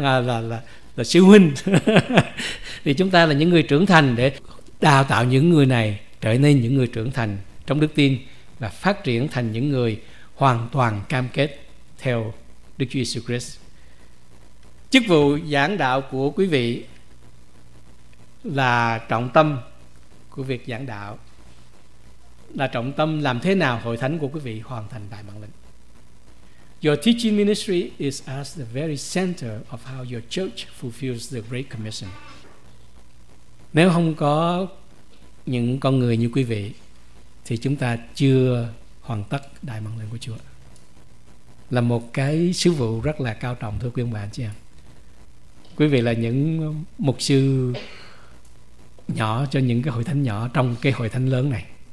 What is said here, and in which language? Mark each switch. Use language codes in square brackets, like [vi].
[vi] Là sư huynh. Thì chúng ta là những người trưởng thành để đào tạo những người này trở nên những người trưởng thành trong đức tin và phát triển thành những người hoàn toàn cam kết theo Đức Chúa Jesus Christ. Chức vụ giảng đạo của quý vị là trọng tâm của việc giảng đạo, là trọng tâm làm thế nào hội thánh của quý vị hoàn thành đại mạng lệnh. [en] Your teaching ministry is at the very center of how your church fulfills the Great Commission. [vi] Nếu không có những con người như quý vị thì chúng ta chưa hoàn tất đại mạng lệnh của Chúa. Là một cái sứ vụ rất là cao trọng, thưa quý ông bà anh chị em. Quý vị là những mục sư nhỏ cho những cái hội thánh nhỏ trong cái hội thánh lớn này.